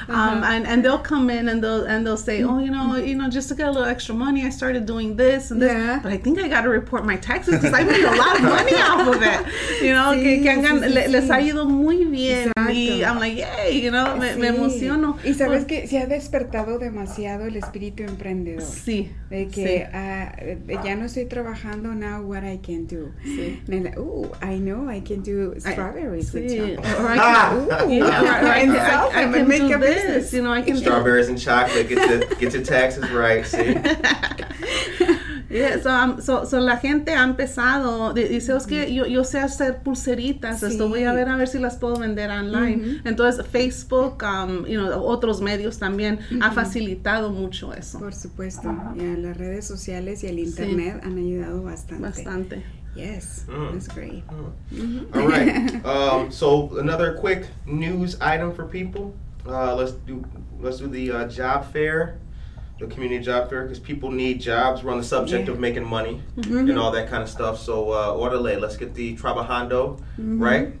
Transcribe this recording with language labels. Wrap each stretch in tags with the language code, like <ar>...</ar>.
<en>And they'll come in and they'll say, you know, just to get a little extra money, I started doing this and this, but I think I got to report my taxes because I made a lot of money off of it. You know,</en> <es>les ha ido muy bien. Exacto.</es> <en>Y I'm like, yay, you know,</en> <es>me emociono. Y sabes que se ha despertado demasiado el espíritu emprendedor. Sí. De que ya no estoy trabajando,</es> <en>now what I can do.</en> <es>Sí.</es> <en>I know I can do strawberries with chocolate. I can do this. You know, I can strawberries and chocolate, get your taxes right, see? Yeah, so</en> <es>la gente ha empezado, dice, es que yo sé hacer pulseritas, esto voy a ver si las puedo vender online. Mm-hmm. Entonces, Facebook, otros medios también, ha facilitado mucho eso. Por supuesto, las redes sociales y el internet han ayudado bastante. Bastante.</es> <en>Yes, that's great. All right, so another quick news item for people. Let's do the job fair. the community job fair, because people need jobs. We're on the subject of making money and all that kind of stuff. So orderly, let's get the trabajando, right?</en>